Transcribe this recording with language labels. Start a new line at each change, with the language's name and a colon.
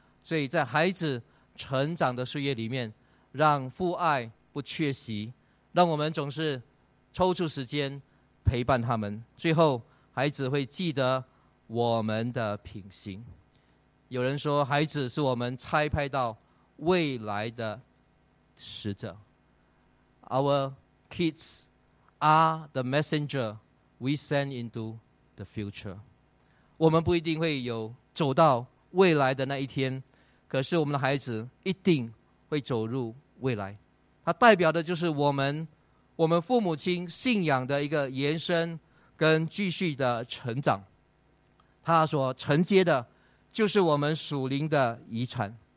Chinese: 所以在孩子成长的岁月里面，让父爱不缺席，让我们总是抽出时间陪伴他们。最后孩子会记得我们的品行。有人说孩子是我们差派到未来的使者。
English: Our kids are the messenger we send into the future。
Chinese: 我们不一定会有走到未来的那一天，可是我们的孩子一定会走入未来。它代表的就是我们父母亲信仰的一个延伸跟继续的成长，他所承接的就是我们属灵的遗产。